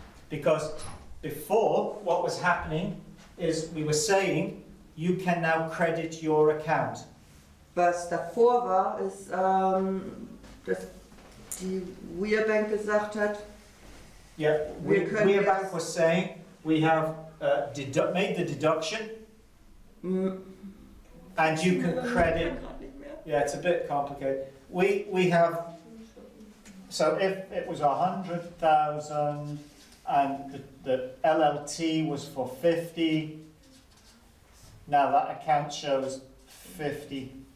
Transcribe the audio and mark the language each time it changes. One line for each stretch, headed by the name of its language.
English: because before what was happening is we were saying you can now credit your account.
German: Was davor war, ist, dass die WeerBank gesagt hat,
English: WeerBank was saying we have made the deduction and you can credit. Yeah, it's a bit complicated. We have, so if it was 100,000 and the LLT was for 50, now that account shows 50.